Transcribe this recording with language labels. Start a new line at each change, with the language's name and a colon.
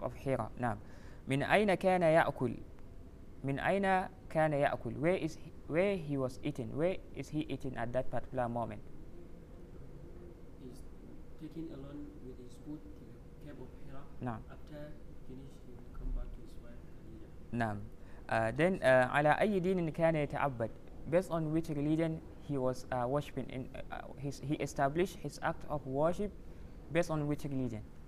English: of Hira. Now,
Arabic: من أين كان يأكل? من أين كان يأكل?
English: Where he was eating? Where is he eating at that particular moment? He's taking along with his food to the Cave of Hira. No. After finish, he will come back to his wife. No. Then,
Arabic: على أي دين كان يتعبد?
English: Based on which religion he was worshiping? He established his act of worship based on which religion?